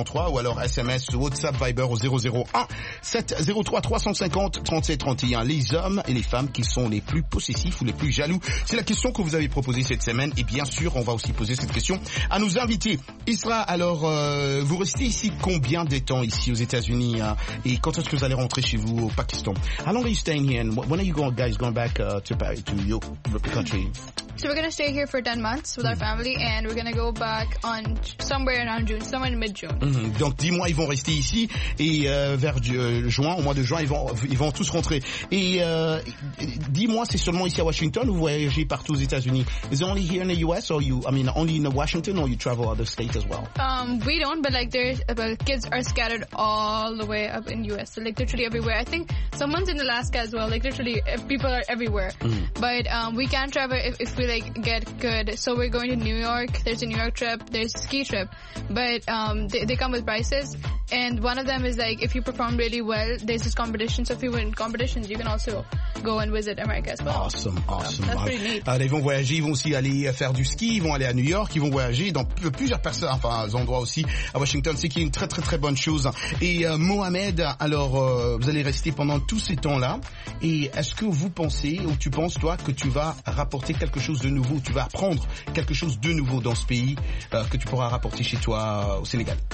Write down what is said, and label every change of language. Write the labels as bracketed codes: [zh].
[fr] Ou alors SMS ou WhatsApp Viber au 001 703 350 37 31. Les hommes et les femmes qui sont les plus possessifs ou les plus jaloux, c'est la question que vous avez proposée cette semaine et bien sûr on va aussi poser cette question à nos invités. Isra, alors vous restez ici combien de temps ici aux États-Unis et quand est-ce que vous allez rentrer chez vous au Pakistan? [en] How long are you staying here and when are you going, guys going back to your country? So we're going to stay here for 10 months with our family and we're going to go back on somewhere around June, somewhere in mid-June. Mm-hmm. [fr] Donc 10 mois, ils vont rester ici et vers juin, au mois de juin, ils vont tous rentrer. Et 10 mois, c'est seulement ici à Washington ou voyagez partout aux États-Unis? [en] Is it only here in the US or you, I mean, only in Washington or you travel other states as well? We don't, but like the kids are scattered all the way up in the US. So like literally everywhere. I think someone's in Alaska as well. Like literally people are everywhere. Mm-hmm. But we can travel if we like get good. So we're going to New York. There's a New York trip. There's a ski trip. But they come with prices. And one of them is like, if you perform really well, there's this competition. So if you win competitions, you can also go and visit America as well. Awesome, awesome. That's pretty neat. [fr] Ils vont voyager. Ils vont aussi aller faire du ski. Ils vont aller à New York. Ils vont voyager dans plusieurs personnes, enfin, endroits aussi à Washington. C'est qui est une très, très, très bonne chose. Et Mohamed, alors, vous allez rester pendant tous ces temps-là. Et est-ce que vous pensez, ou tu penses, toi, que tu vas rapporter quelque chose de nouveau, tu vas apprendre quelque chose de nouveau dans ce pays que tu pourras rapporter chez toi au Sénégal?